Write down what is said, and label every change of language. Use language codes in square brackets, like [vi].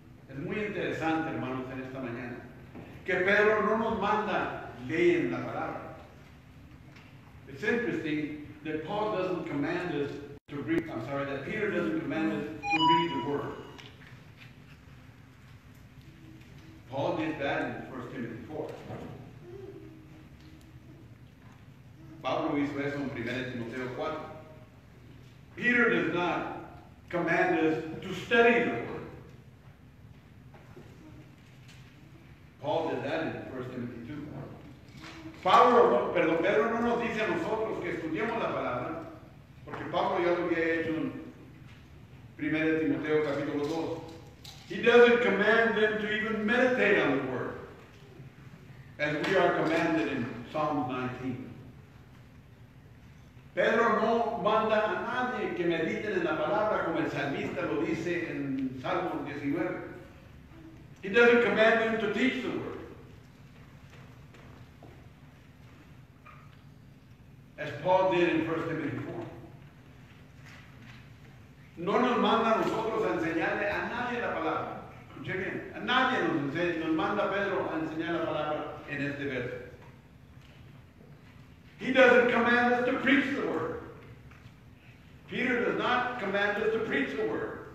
[es] Es muy interesante, hermanos, en esta mañana, que Pedro no nos manda leer la palabra. [en] It's interesting that Paul doesn't command us to read. I'm sorry, that Peter doesn't command us to read the word. Paul did that in 1 Timothy 4. [es] Pablo hizo eso en 1 Timoteo 4. [en] Peter does not command us to study the word. Paul did that in 1 Timothy 2. [es] Pedro no nos dice a nosotros que estudiemos la palabra, porque Pablo ya lo había hecho en 1 Timoteo capítulo 2. [en] He doesn't command them to even meditate on the word, as we are commanded in Psalm 19. [es] Pedro no manda a nadie que mediten en la palabra como el salmista lo dice en Salmo 19. [en] He doesn't command them to teach the word. As Paul did in 1 Timothy 4. [es] No nos manda a nosotros a enseñarle a nadie la palabra. Escuche bien. A nadie nos manda Pedro a enseñar la palabra en este verso. [en] He doesn't command us to preach the word. Peter does not command us to preach the word.